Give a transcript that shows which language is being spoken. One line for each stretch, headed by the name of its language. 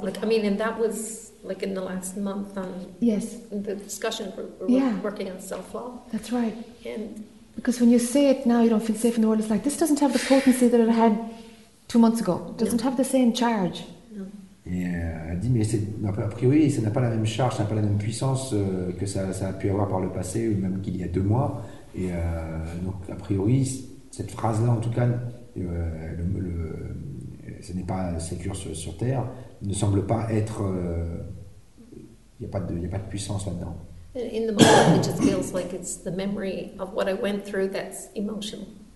English: Like, I mean, and that was like in the last month on. Yes. In the discussion we're working on self-love. That's right. And. Because when you say it now, you don't feel safe in the world. It's like, this doesn't have the potency that it had 2 months ago. It doesn't have the same charge.
French: Elle dit, mais c'est, a priori, ça n'a pas la même charge, ça n'a pas la même puissance que ça a pu avoir par le passé, ou même qu'il y a 2 mois. Et donc, a priori, cette phrase-là, en tout cas, ce n'est pas sécure sur Terre, ne semble pas être... Il n'y a pas de puissance là-dedans.
English: In the moment, it just feels like it's the memory of what I went through that's emotional.